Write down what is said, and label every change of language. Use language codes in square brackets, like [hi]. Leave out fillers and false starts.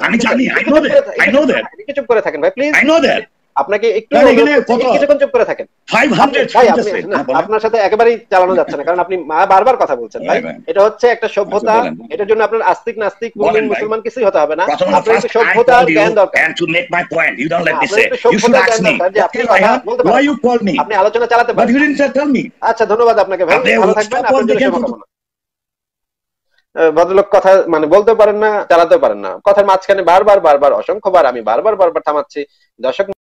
[bn] আমি জানি, [en] I know that, I know that, [bn] একটু চুপ করে থাকেন ভাই প্লিজ, [en] I know that. [bn] আপনাকে একটু চুপ করে থাকেন, 500 আপনার সাথে একেবারেই চালানো যাচ্ছে না, কারণ আপনি বারবার কথা বলছেন ভাই। এটা হচ্ছে একটা সভ্যতা, এটার জন্য আপনার আস্তিক নাস্তিক মুসলিম মুসলমান কিছুই হতে হবে না, আপনার একটা সভ্যতার জ্ঞান দরকার। [en] And to make my point, you don't let me say, you should ask me, why you called me? [bn] আপনি আলোচনা চালাতে [en] পারেন, but you didn't tell me. [bn] আচ্ছা, ধন্যবাদ আপনাকে ভাই, ভালো থাকবেন, আপনার জন্য শুভ কামনা। ভদ্রলোক কথা মানে বলতে পারেন না, চালাতে পারেন না, কথার মাঝখানে বারবার বারবার অসংখ্যবার আমি বারবার বারবার থামাচ্ছি দর্শক।